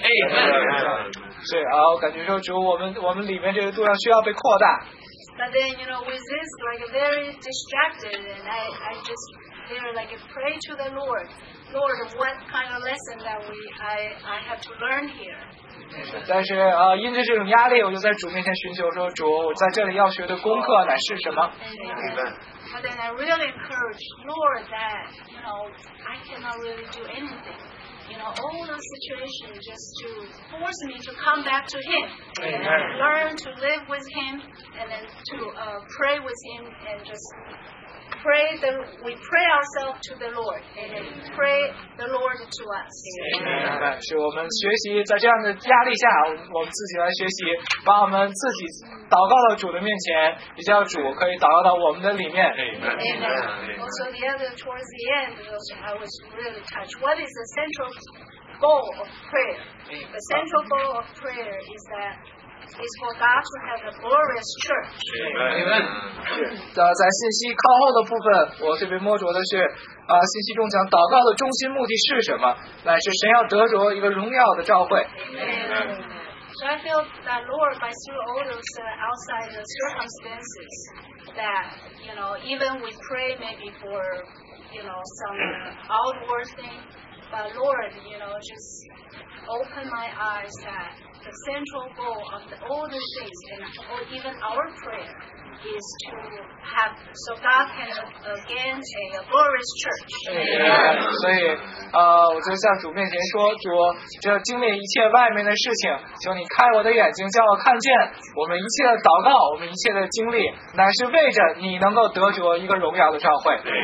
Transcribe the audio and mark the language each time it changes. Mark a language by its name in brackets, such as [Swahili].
[English] Amen. But then, you know, we sit like very distracted, and I just hear, like, pray to the Lord. Lord, what kind of lesson that I have to learn here? [Chinese] 但是因着这种压力，我就在主面前寻求说，主，我在这里要学的功课乃是什么？ [English] Amen. But then I really encourage Lord that you know I cannot really do anything. You know all the situation just to force me to come back to Him and learn to live with Him and then to pray with Him and just pray the we pray ourselves to the Lord and then pray. The Lord to us. Amen. [Chinese] 是我们学习在这样的压力下，我们自己来学习，把我们自己祷告到主的面前，也叫主可以祷告到我们的里面。 [English] Amen. Also, the other towards the end, I was really touched. What is the central goal of prayer? The central goal of prayer is that. Is for God to have a glorious church. Amen. [Chinese] 在信息靠后的部分，我特别摸着的是，信息中讲祷告的中心目的是什么？乃是神要得着一个荣耀的召会。 [English] Amen. So I feel that, Lord, by through all those outside circumstances, that, you know, even we pray maybe for, you know, some outward thing, but Lord, you know, just open my eyes that the central goal of the, all the things, and or even our prayer, is to have, so God can again a glorious church. Amen. Yeah. [Chinese] 我就向主面前说，主，这经历一切外面的事情，求你开我的眼睛，叫我看见我们一切的祷告，我们一切的经历，乃是为着你能够得着一个荣耀的召会。